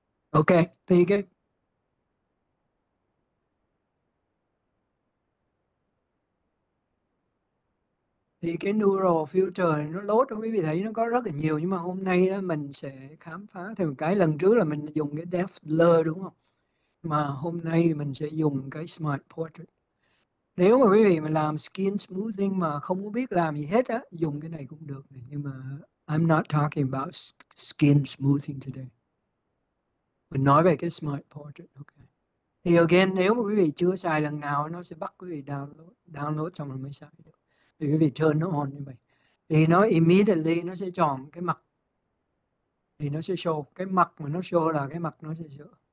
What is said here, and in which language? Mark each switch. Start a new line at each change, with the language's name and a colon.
Vietnamese: Ok, thì cái Neural Filter nó load, quý vị thấy nó có rất là nhiều. Nhưng mà hôm nay đó mình sẽ khám phá thêm một cái. Lần trước là mình dùng cái Depth Blur, đúng không? Mà hôm nay mình sẽ dùng cái Smart Portrait. Nếu mà quý vị mà làm skin smoothing mà không có biết làm gì hết á, dùng cái này cũng được. Nhưng mà
English: I'm not talking about skin smoothing today.
Vietnamese: Mình nói về cái smart portrait. Okay. Thì again, nếu mà quý vị chưa xài lần nào, nó sẽ bắt quý vị download xong rồi mới xài được. Thì quý vị turn nó on như vậy. Thì nó immediately nó sẽ chọn cái mặt. Thì nó sẽ show. Cái mặt mà nó show là cái mặt nó sẽ show.